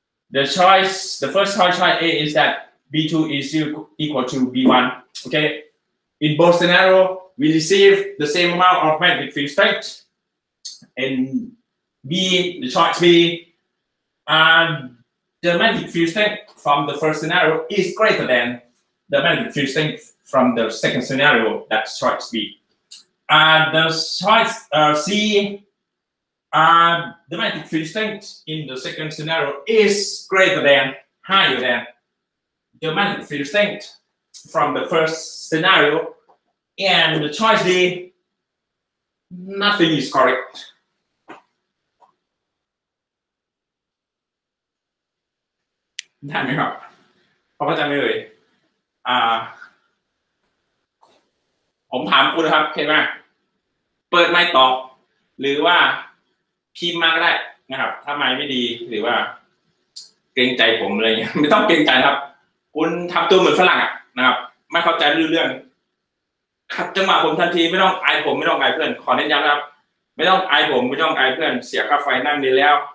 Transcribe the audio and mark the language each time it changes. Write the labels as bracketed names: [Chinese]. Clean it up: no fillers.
[English] the choice the first choice A is that B2 is equal to B1 okay in both scenario we receive the same amount of magnetic field strength and B the choice B andThe magnetic field strength from the first scenario is greater than the magnetic field strength from the second scenario, that's choice B. The choice C, the magnetic field strength in the second scenario is greater than, higher than the magnetic field strength from the first scenario. And the choice D, nothing is correct. [Thai] ได้ไหมครับพอเข้าใจไหมเอ่ยผมถามคุณนะครับเห็นไหมเปิดไมค์ตอบหรือว่าพิมพ์มาก็ได้นะครับถ้าไมค์ไม่ดีหรือว่าเกรงใจผมอะไรเงี้ยไม่ต้องเกรงใจครับคุณทำตัวเหมือนฝรั่งอ่ะนะครับไม่เข้าใจเรื่องขัดจังหวะผมทันทีไม่ต้องไอผมไม่ต้องไอเพื่อนขอเน้นย้ำนะครับไม่ต้องไอผมไม่ต้องไอเพื่อนเสียค่าไฟนั่งดีแล้ว